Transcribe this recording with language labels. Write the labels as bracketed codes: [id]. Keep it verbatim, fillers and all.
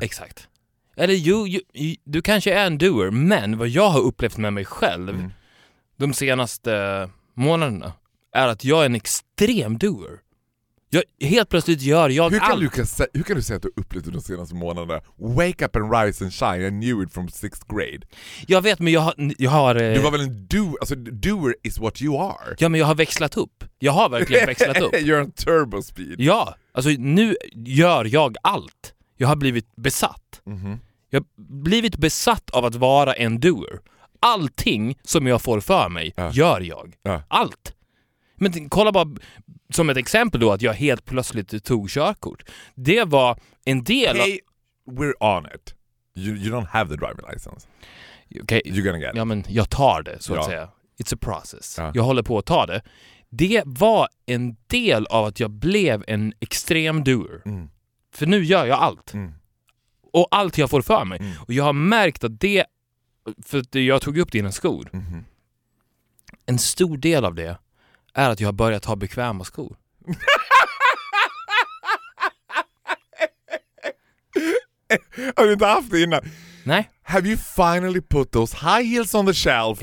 [sv] Exakt. Eller jo, jo, jo, du kanske är en doer, men vad jag har upplevt med mig själv mm. de senaste månaderna är att jag är en extrem doer. Jag, helt plötsligt gör jag hur kan allt. Du kan, hur kan du säga att du upplevde de senaste månaderna? [en] Wake up and rise and shine, I knew it from sixth grade. [sv] Jag vet, men jag har... Jag har du var väl en do, alltså, [en] doer is what you are. [sv] Ja, men jag har växlat upp. Jag har verkligen växlat upp. [en] You're on turbo speed. [sv] Ja, alltså nu gör jag allt. Jag har blivit besatt. Mm-hmm. Jag har blivit besatt av att vara en doer. Allting som jag får för mig äh. gör jag. Äh. Allt. Men kolla bara som ett exempel då att jag helt plötsligt tog körkort. Det var en del [en] hey, av... We're on it. You, you don't have the driving license. Okay. You're gonna get it. [sv] Ja, men jag tar det så att ja. säga. [en] It's a process. [sv] Ja. Jag håller på att ta det. Det var en del av att jag blev en extrem doer. Mm. För nu gör jag allt. Mm. Och allt jag får för mig. Mm. Och jag har märkt att det... För jag tog upp dina skor. Mm. En stor del av det är att jag har börjat ha bekväma skor. Har du inte haft det innan? Nej. [en] Have you finally put those high heels on the shelf